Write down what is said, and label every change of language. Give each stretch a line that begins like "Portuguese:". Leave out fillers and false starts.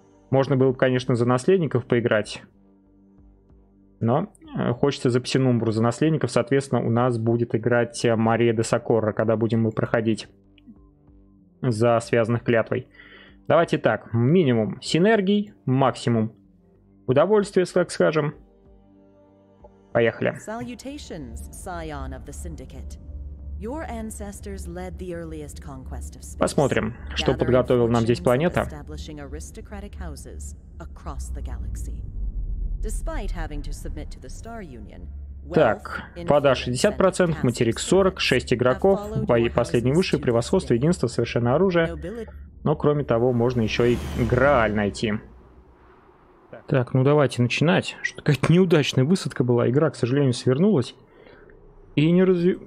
Russian: Можно было бы, конечно, за наследников поиграть. Но хочется за псинумбру, за наследников. Соответственно, у нас будет играть Мария де Сокорро, когда будем мы проходить за связанных клятвой. Давайте так, минимум синергий, максимум удовольствие, так скажем. Поехали.
English: Salutations, Scion of the Syndicate. Your ancestors led the earliest conquest of space.
Russian: Посмотрим, что подготовил нам здесь планета.
English: Establishing aristocratic houses across the galaxy. Despite having to submit to the Star Union.
Russian: Так, вода 60%, материк 40, 6 игроков, бои последний высший, превосходство, единство, совершенное оружие. Но кроме того, можно еще и Грааль найти. Так, ну давайте начинать. Что-то какая-то неудачная высадка была. Игра, к сожалению, свернулась. И не разве...